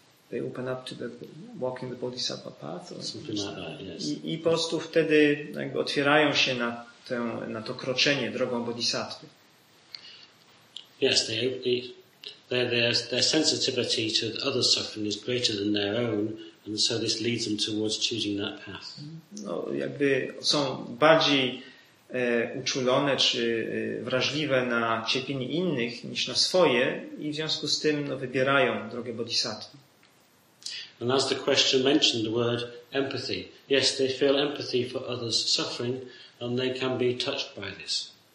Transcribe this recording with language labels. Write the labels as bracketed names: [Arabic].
[English] They open up to the walking the bodhisattva path. Or something like that, yes. [Polish] I po prostu wtedy jakby otwierają się na tę, na to kroczenie drogą bodhisattwy. [English] Yes, their sensitivity to others' suffering is greater than their own, and so this leads them towards choosing that path. [Polish] No, jakby są bardziej uczulone czy wrażliwe na cierpienie innych niż na swoje i w związku z tym no, wybierają drogę bodhisattwy. [English] And as the question mentioned the word empathy. Yes, they feel empathy for others' suffering and they can be touched by this.